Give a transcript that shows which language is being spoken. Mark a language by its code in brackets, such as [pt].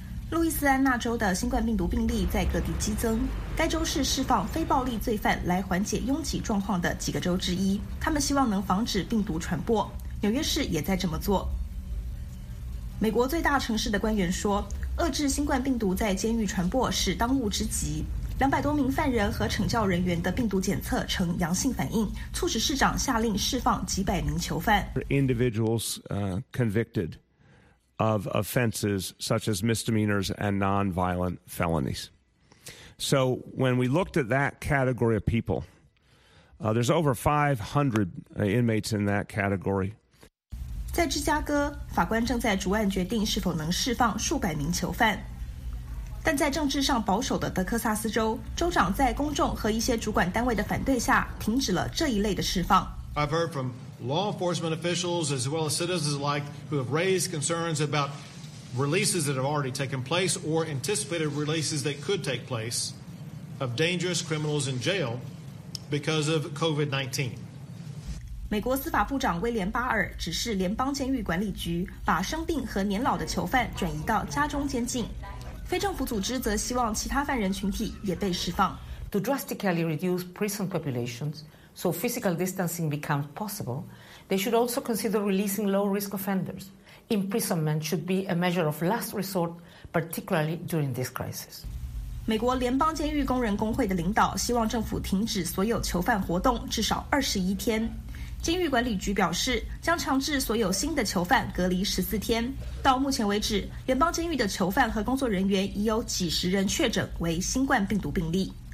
[zh] 路易斯安那州的新冠病毒病例在各地激增，该州是释放非暴力罪犯来缓解拥挤状况的几个州之一，他们希望能防止病毒传播，纽约市也在这么做。美国最大城市的官员说，遏制新冠病毒在监狱传播是当务之急，200多名犯人和惩教人员的病毒检测呈阳性反应，促使市长下令释放几百名囚犯。 [en] Individuals convicted of offenses such as misdemeanors and nonviolent felonies. So when we looked at that category of people, there's over 500 inmates in that category. [zh] 在芝加哥，法官正在逐案决定是否能释放数百名囚犯。但在政治上保守的德克萨斯州，州长在公众和一些主管单位的反对下停止了这一类的释放。 [en] I've heard from law enforcement officials as well as citizens alike who have raised concerns about releases that have already taken place or anticipated releases that could take place of dangerous criminals in jail because of COVID-19. [zh] 美国司法部长威廉巴尔指示联邦监狱管理局把生病和年老的囚犯转移到家中监禁，非政府组织则希望其他犯人群体也被释放。 [en] To drastically reduce prison populations so physical distancing becomes possible, they should also consider releasing low-risk offenders. Imprisonment should be a measure of last resort, particularly during this crisis. [zh] 美国联邦监狱工人工会的领导希望政府停止所有囚犯活动至少21天。监狱管理局表示将强制所有新的囚犯隔离14天。到目前为止，联邦监狱的囚犯和工作人员已有几十人确诊为新冠病毒病例。